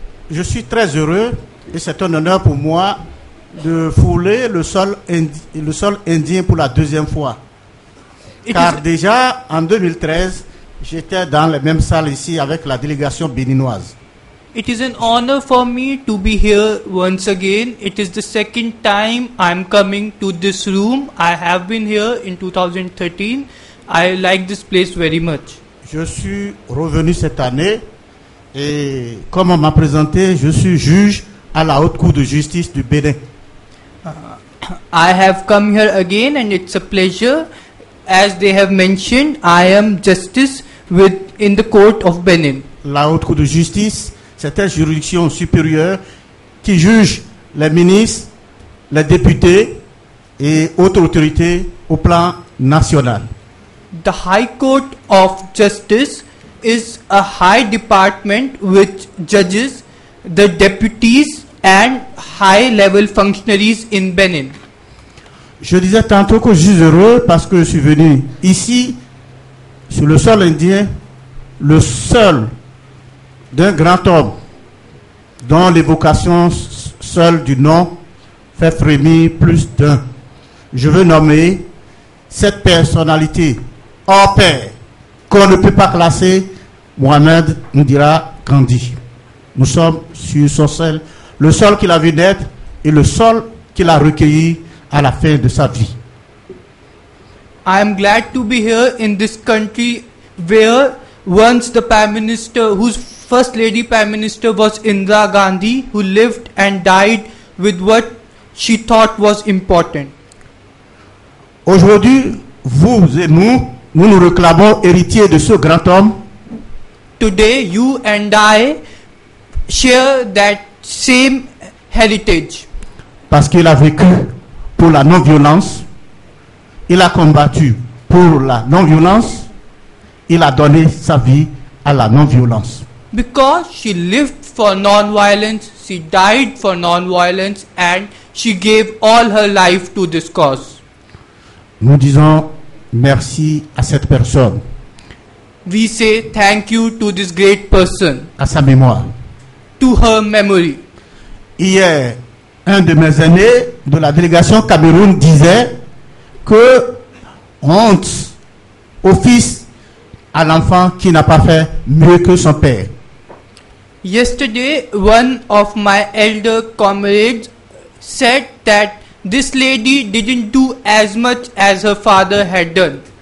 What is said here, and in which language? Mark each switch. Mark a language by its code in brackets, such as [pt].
[fr] Je suis très heureux et c'est un honneur pour moi de fouler le sol indien pour la deuxième fois. Car déjà en 2013, j'étais dans les mêmes salles ici avec la délégation béninoise. [en] It is an honor for me to be here once again. It is the second time I'm coming to this room. I have been here in 2013. I like this place very much. [fr] Je suis revenu cette année et comme on m'a présenté, je suis juge à la Haute Cour de Justice du Bénin. [en] I have come here again and it's a pleasure. As they have mentioned, I am justice in the court of Benin. [fr] La Haute Cour de Justice, c'est une juridiction supérieure qui juge les ministres, les députés et autres autorités au plan national. [en] The High Court of Justice is a high department which judges the deputies and high level functionaries in Benin. [fr] Je disais tantôt que je suis heureux parce que je suis venu ici sur le sol indien, le seul d'un grand homme dont l'évocation seule du nom fait frémir plus d'un. Je veux nommer cette personnalité hors pair qu'on ne peut pas classer, Mohamed Ndira Kandi. Nous sommes sur son sol, le sol qu'il a vu naître et le sol qu'il a recueilli à la fin de sa vie. [en] I am glad to be here in this country where once the Prime Minister, whose first lady Prime Minister was Indira Gandhi, who lived and died with what she thought was important. [fr] Aujourd'hui, vous et nous, nous nous réclamons héritiers de ce grand homme. [en] Today, you and I share that same heritage. [fr] Parce qu'il a vécu pour la non-violence, il a combattu pour la non-violence, il a donné sa vie à la non-violence. [en] Because she lived for non-violence, she died for non-violence, and she gave all her life to this cause. [fr] Nous disons merci à cette personne. [en] We say thank you to this great person. [fr] À sa mémoire. [en] To her memory. [fr] Hier, un de mes aînés de la délégation Cameroun disait que honte au fils à l'enfant qui n'a pas fait mieux que son père. [en] Yesterday, one of my elder comrades said that this lady didn't do as much as her father had done.